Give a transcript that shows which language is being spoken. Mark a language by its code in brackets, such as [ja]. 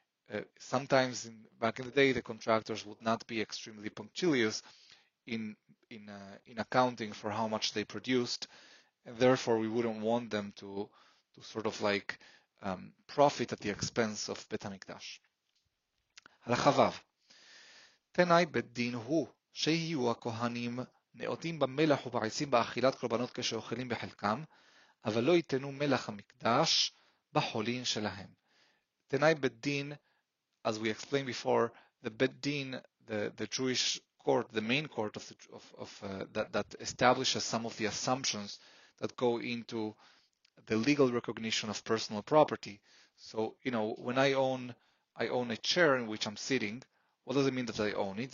[en] but sometimes in, back in the day, the contractors would not be extremely punctilious in accounting for how much they produced, and therefore we wouldn't want them to sort of like profit at the expense of Beit HaMikdash. [he] הלכה וו. תנאי בדין הוא שיהיו הכהנים נאותים במלח ובעצים באכילת קורבנות כשאוכלים בחלקם, אבל לא ייתנו מלח המקדש בחולין שלהם. תנאי בדין, [en] as we explained before, the בדין, the Jewish court, the main court of the, of that establishes some of the assumptions that go into the legal recognition of personal property. So, you know, when I own a chair in which I'm sitting, what does it mean that I own it?